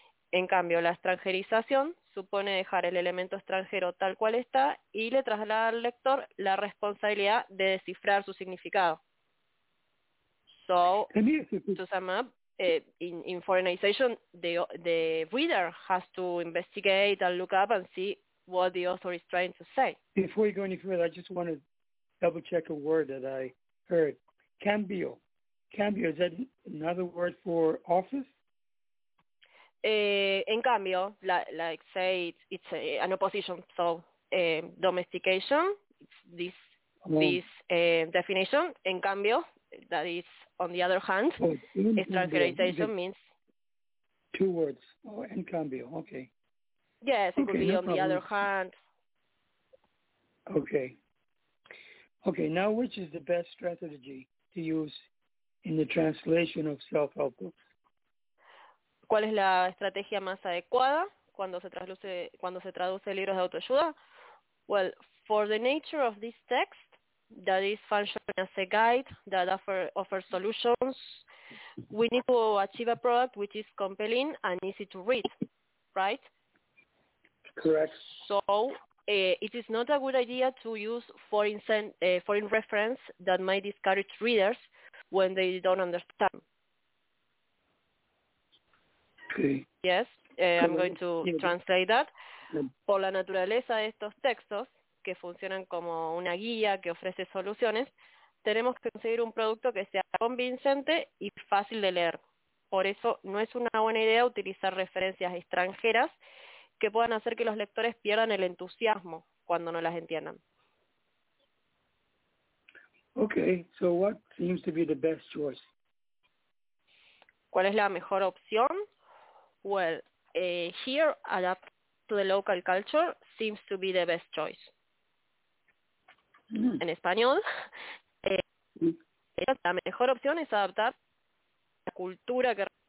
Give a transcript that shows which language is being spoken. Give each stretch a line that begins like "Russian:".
Spanish: En cambio, la extranjerización supone dejar el elemento extranjero tal cual está y le traslada al lector la responsabilidad de descifrar su significado.
English: So, to sum up, in foreignization, the reader has to investigate and look up and see what the author is trying to say. Before you go any further, I just want to double check a word that I heard. Cambio. Cambio, is that another word for office?
Spanish: En cambio,
English: like say it's an opposition. So domestication, it's this definition.
Spanish: En cambio,
English: that is on the other hand, extranjerization means two words. Oh,
Spanish: en cambio,
English: okay. Yes, it could be no on the other hand. Okay. Now, which is the best strategy to use in the translation of self-help books?
Spanish: ¿Cuál es la estrategia más adecuada cuando se traduce libros de autoayuda?
English: Well, for the nature of this text, that is functioning as a guide that offers solutions, we need to achieve a product which is compelling and easy to read, right? Correct. So it is not a good idea to use foreign reference that might discourage readers when they don't understand. Okay. Yes, I'm going to translate that.
Spanish: Por la naturaleza de estos textos, que funcionan como una guía que ofrece soluciones, tenemos que conseguir un producto que sea convincente y fácil de leer. Por eso, no es una buena idea utilizar referencias extranjeras que puedan hacer que los lectores pierdan el entusiasmo cuando no las entiendan.
English: Okay, so what seems to be the best choice?
Spanish: ¿Cuál es la mejor opción?
English: Well, here, adapt to the local culture seems to be the best choice. Mm.
Spanish: En español, la mejor opción es adaptar la cultura que...